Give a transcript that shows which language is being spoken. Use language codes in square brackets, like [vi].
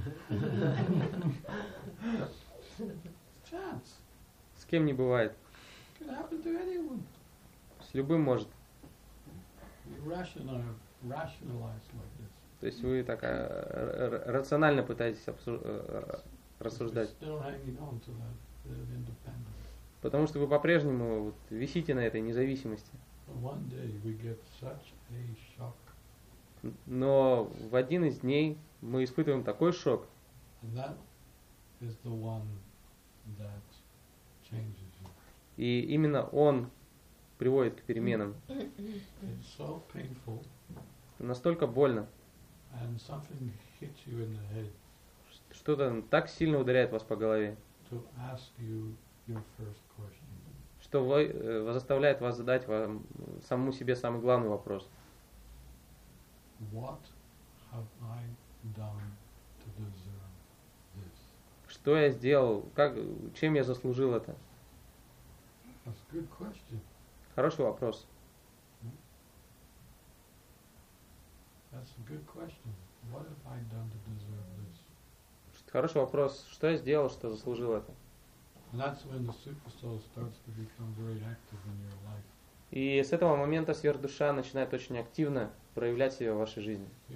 [en] Chance. [ru] С кем не бывает. [en] Can happen to anyone. [ru] С любым может. [en] Rationalize like this. [ru] То есть вы так рационально пытаетесь рассуждать. [en] Still hanging on to that bit of independence. [ru] Потому что вы по-прежнему вот, висите на этой независимости. [en] One day we get such a shock [ru] Но в один из дней мы испытываем такой шок. [en] And that is the one that changes you. [ru] И именно он приводит к переменам. [en] It's so painful. [ru] Настолько больно. [en] And something hits you in the head. [ru] Что-то так сильно ударяет вас по голове, [en] to ask you your first question. [ru] Что вы, заставляет вас задать вам, самому себе самый главный вопрос. [en] What have I done to deserve this? [ru] Что я сделал? Как, чем я заслужил это? [en] That's a good question. [ru] Хороший вопрос. [en] That's a good question. What have I done to deserve this? [ru] Хороший вопрос. Что я сделал, что заслужил это? [en] And that's when the super soul starts to become very active in your life. [ru] И с этого момента сверхдуша начинает очень активно проявлять себя в вашей жизни.